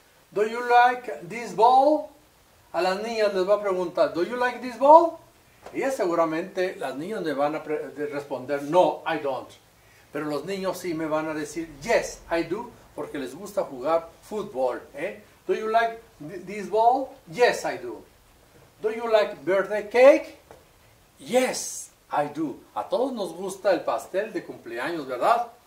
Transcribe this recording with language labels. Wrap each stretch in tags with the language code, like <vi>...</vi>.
<en>Do you like this ball?</en> <es>A las niñas les va a preguntar,</es> <en>do you like this ball?</en> <es>Y seguramente las niñas me van a responder, no,</es> <en>I don't.</en> <es>Pero los niños sí me van a decir,</es> <en>yes, I do.</en> <es>Porque les gusta jugar fútbol, ¿eh?</es> <en>Do you like this ball? Yes, I do. Do you like birthday cake? Yes, I do.</en> <es>A todos nos gusta el pastel de cumpleaños, ¿verdad?</es>